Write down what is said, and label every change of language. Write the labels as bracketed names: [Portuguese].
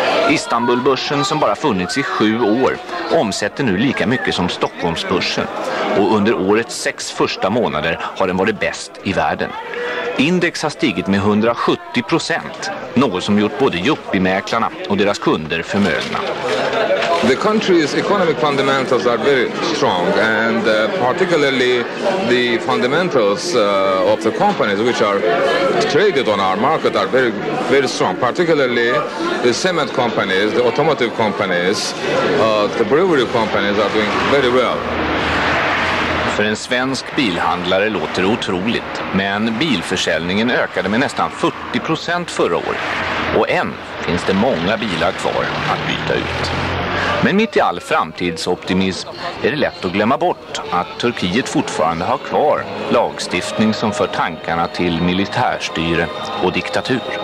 [Swedish] Istanbulbörsen som bara funnits i 7 år omsätter nu lika mycket som Stockholmsbörsen. Och under årets 6 första månader har den varit bäst i världen. Index har stigit med 170%, något som gjort både yuppiemäklarna och deras kunder förmögna. [English] The country's economic fundamentals are very strong, and particularly the fundamentals of the companies which are traded on our market are very, very strong. Particularly the cement companies, the automotive companies, the brewery companies are doing very well. [Swedish] För en svensk bilhandlare låter otroligt, men bilförsäljningen ökade med nästan 40% förra året. Och än finns det många bilar kvar att byta ut. Men mitt i all framtidsoptimism är det lätt att glömma bort att Turkiet fortfarande har kvar lagstiftning som för tankarna till militärstyre och diktatur.